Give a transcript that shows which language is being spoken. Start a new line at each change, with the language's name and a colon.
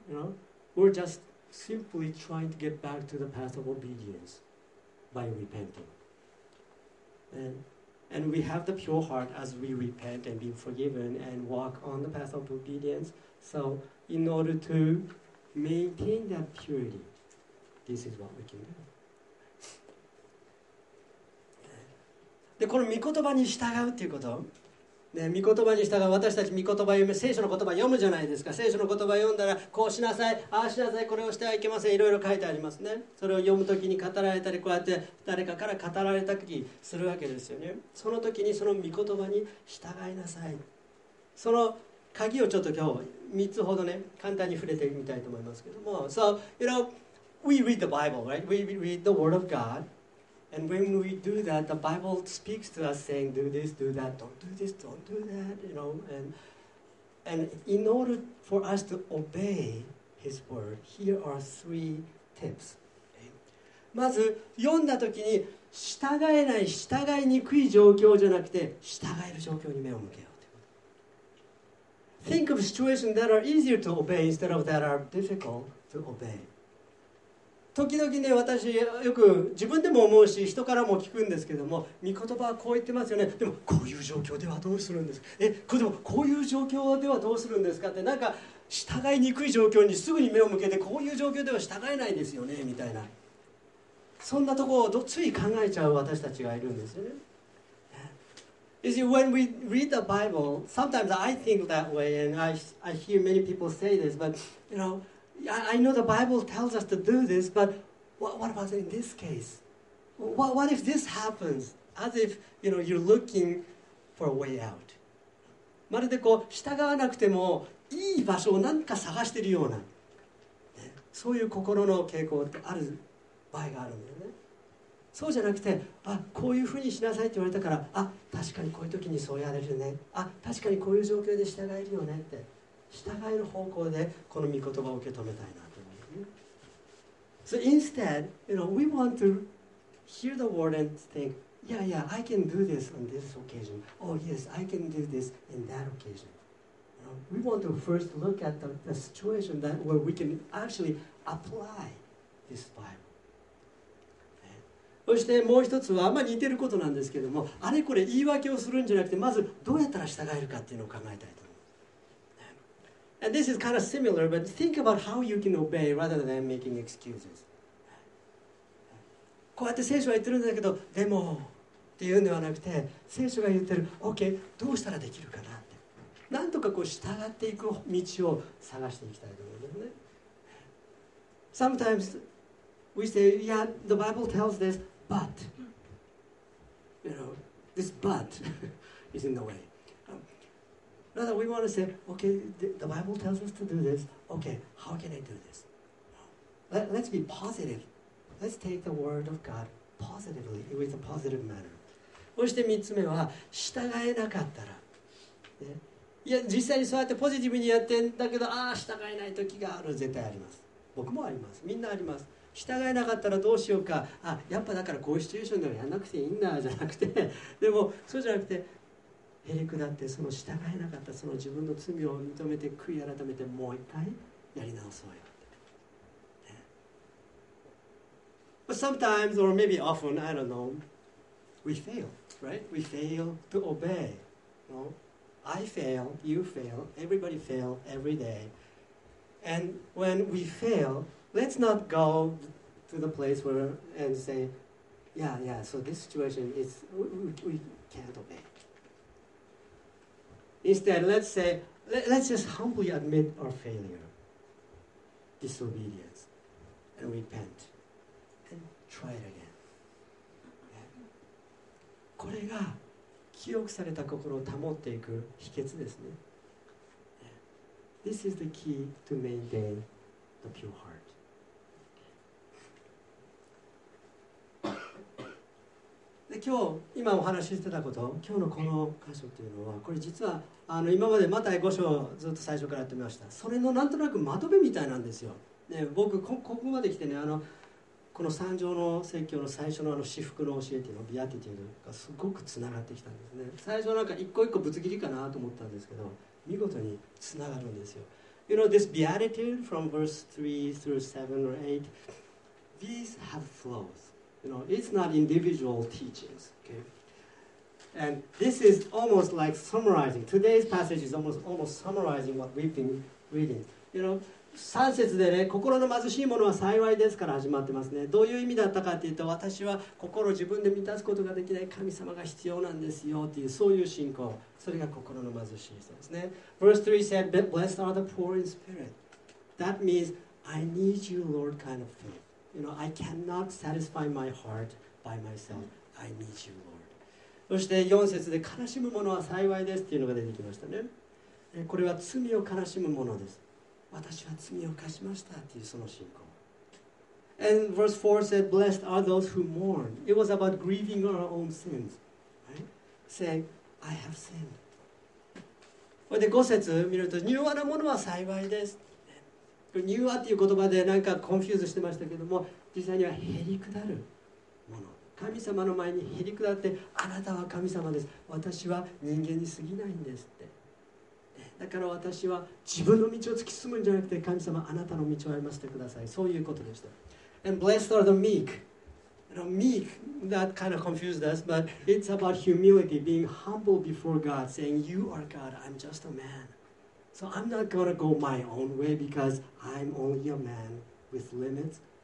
English: You know, we're just simply trying to get back to the path of obedience by repenting. And we have the pure heart as we repent and be forgiven and walk on the path of obedience. So in order to maintain that purity, this is what we can do.
Japanese: でこの御言葉に従うっていうこと、ね、御言葉に従う、私たち御言葉を読む、聖書の言葉を読むじゃないですか。聖書の言葉を読んだら、こうしなさい、ああしなさい、これをしてはいけません、いろいろ書いてありますね。それを読むときに語られたり、こうやって誰かから語られたりするわけですよね。その時にその御言葉に従いなさい。その鍵をちょっと今日3つほどね、簡単に触れてみたいと思いますけども。
English: So, you know, we read the Bible, right? We read the Word of GodAnd when we do that, the Bible speaks to us saying, do this, do that, don't do this, don't do that, you know. And And in order for us to obey His word, here are three tips.
Japanese: まず読んだ時に従えない従いにくい状況じゃなくて従える状況に目を向けようってこと。
English: Think of situations that are easier to obey instead of that are difficult to obey.
Japanese: 時々ね、私よく自分でも思うし人からも聞くんですけども、御言葉はこう言ってますよね、でもこういう状況ではどうするんですか、これでもこういう状況ではどうするんですかって、なんか従いにくい状況にすぐに目を向けて、こういう状況では従えないですよねみたいな、そんなところをつい考えちゃう私たちがいるんですよね。
English: You see, when we read the Bible, sometimes I think that way, and I hear many people say this, but you know, I know the Bible tells us to do this, but what about in this case? What if this happens? As if, you know, you're looking for a way out.
Japanese: まるでこう従わなくてもいい場所を何か探しているような、ね、そういう心の傾向ってある場合があるんだよね。そうじゃなくて、あ、こういうふうにしなさいって言われたから、あ、確かにこういう時にそうやれるね、あ、確かにこういう状況で従えるよねって、従える方向でこの御言葉を受け止めたいなと思うね。
English: So instead, you know, we want to hear the word and think, yeah, yeah, I can do this on this occasion. Oh, yes, I can do this in that occasion. You know, we want to first look at the situation that where we can actually apply this Bible.
Japanese: そしてもう一つは、まあ、似てることなんですけども、あれこれ言い訳をするんじゃなくて、まずどうやったら従えるかっていうのを考えたいと思う。
English: And this is kind of similar, but think about how you can obey rather than making excuses.
Japanese: こうやって聖書は言ってるんだけど、でもっていうんではなくて、聖書が言ってる、OK、どうしたらできるかなって。なんとかこう従っていく道を探していきたいと思うんですね。
English: Sometimes,We say, yeah, the Bible tells this, but, you know, this but is in the way. Rather, we want to say, okay, the Bible tells us to do this. Okay, how can I do this? Let's be positive. Let's take the word of God positively, with a positive manner.
Japanese: そして3つ目は、従えなかったら。ね、いや、実際にそうやってポジティブにやってんだけど、ああ、従えない時がある、絶対あります。僕もあります。みんなあります。従えなかったらどうしようか、あ、やっぱだからこういうシチュエーションではやんなくていいんだじゃなくて、でもそうじゃなくて、へりくだって、その従えなかったその自分の罪を認めて悔い改めて、もう一回やり直そうよ、ね、
English: But sometimes or maybe often, I don't know, we fail, right? We fail to obey, no? I fail, you fail, everybody fail every day. And when we failLet's not go to the place where and say, yeah, yeah, so this situation is, we can't obey. Instead, let's say, let's just humbly admit our failure, disobedience, and repent, and try it again.
Japanese: これが記憶された心を保っていく秘訣ですね。
English: This is the key to maintain the pure heart.
Japanese: 今日今お話ししてたこと、今日のこの箇所というのは、これ実はあの今までマタイ5章ずっと最初からやってみました。それのなんとなくまとめみたいなんですよ。ね、僕ここまで来てね、あのこの三条の説教の最初のあの至福の教えというの、ビアティティというのがすごくつながってきたんですね。最初なんか一個一個ぶつ切りかなと思ったんですけど、見事につながるんですよ。
English: You know this beatitude from verse 3 through 7 or 8, these have flows. You know, it's not individual teachings, okay? And this is almost like summarizing. Today's passage is almost summarizing what we've been reading.
Japanese: You know, 三節でね、心の貧しいものは幸いですから始まってますね。どういう意味だったかっていうと、私は心を自分で満たすことができない神様が必要なんですよっていう、そういう信仰。それが心の貧しい人ですね。
English: Verse 3 said, Blessed are the poor in spirit. That means, I need you, Lord, kind of faith. You know, I cannot satisfy my heart by myself. I need you, Lord.
Japanese: そして4節で悲しむものは幸いですっていうのが出てきましたね。これは罪を悲しむものです。私は罪を犯しましたっていうその信仰。
English: And verse 4 said, Blessed are those who mourn. It was about grieving our own sins. Right? Saying, I have sinned.
Japanese: それで五節見ると、柔和なものは幸いです。柔和っていう言葉でなんかコンフューズしてましたけども、実際にはへりくだるもの。神様の前にへりくだって、あなたは神様です。私は人間に過ぎないんですって。だから私は自分の道を突き進むんじゃなくて、神様あなたの道を歩ませてください。
English: そういうことでした。 And blessed are the meek. Meek, that kind of confused us, but it's about humility, being humble before God, saying, you are God, I'm just a man. So I'm not going to go my own way because I'm only a man with limits.